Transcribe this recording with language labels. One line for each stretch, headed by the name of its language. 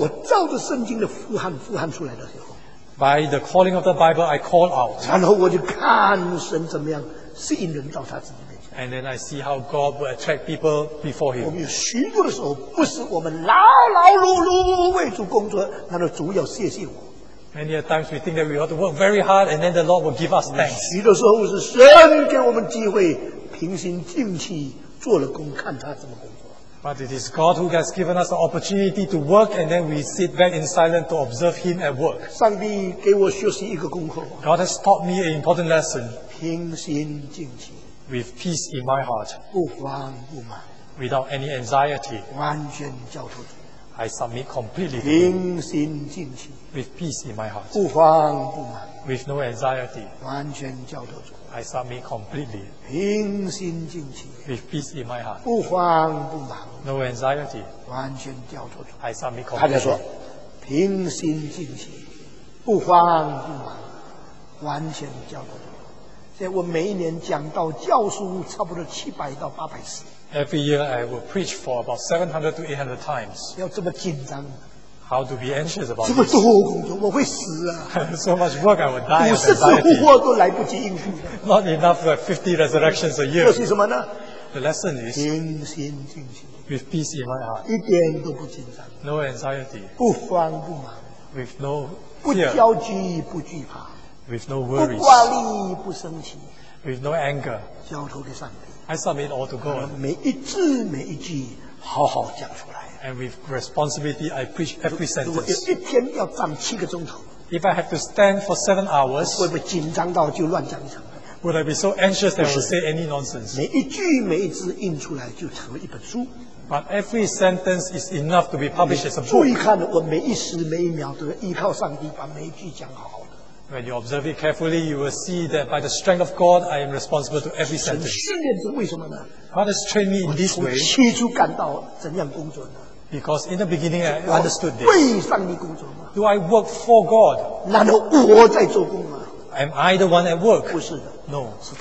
Chinese: 我照着圣经的呼喊呼喊出来的时候。
English: By the calling of the Bible, I call out.
Chinese: 然后我就看神怎么样吸引人到他自己。
English: And then I see how God will attract people before Him.
Chinese: 我们有许多的时候，不是我们劳劳碌碌为主工作，难道主要谢谢我？
English: Many a times we think that we have to work very hard, and then the Lord will give us thanks.
Chinese: 许多时候是神给我们机会，平心静气做了工，看他怎么工作。
English: But it is God who has given us the opportunity to work, and then we sit back in silence to observe Him at work.
Chinese: 上帝给我学习一个功课。
English: God has taught me an important lesson.
Chinese: 平心静气。
English: With peace in my heart,
Chinese: 不慌不忙,
English: without any anxiety,
Chinese: 完全交托主,
English: I submit completely to him,
Chinese: 平心静气,
English: with peace in my heart,
Chinese: 不慌不忙,
English: with no anxiety,
Chinese: 完全交托主,
English: I submit completely,
Chinese: 平心静气,
English: with peace in my heart,
Chinese: 不慌不忙,
English: no anxiety,
Chinese: 完全交托主,
English: I submit completely.
Chinese: 他就说, 平心静气, 不慌不忙, 完全交托主。所以我每一年讲到教书差不多700到800次。
English: Every year I will preach for about 700 to 800 times.
Chinese: 要这么紧张
English: ？How to be anxious about this?
Chinese: 这么多工作，我会死啊
English: ！So much work, I will die.
Chinese: 50次复活都来不及应付。
English: Not enough for 50 resurrections a year.
Chinese: 这是什么呢
English: ？The lesson is
Chinese: 平心静气
English: ，with peace in my heart.
Chinese: 一点都不紧张
English: ，no anxiety.
Chinese: 不慌不忙
English: ，with no
Chinese: 不焦急不惧怕。
English: With no worries,
Chinese: 不挂虑不生气
English: with no anger,
Chinese: 交托给上帝
English: I submit all to God.
Chinese: 每一字每一句好好讲出来
English: And with responsibility, I preach every sentence.
Chinese: 如果一天要站7个钟头
English: If I have to stand for 7 hours,
Chinese: 会不会紧张到就乱讲一场
English: Would I be so anxious that I would say any nonsense?
Chinese: 每一句每一字印出来就成为一本书
English: But every sentence is enough to be published as a book.
Chinese: 注意看我每一时每一秒都要依靠上帝把每一句讲好
English: When you observe it carefully, you will see that by the strength of God, I am responsible to every sentence. God has trained me in this way. Because in the beginning, I understood this. Do I work for God? Am I the one at work? No.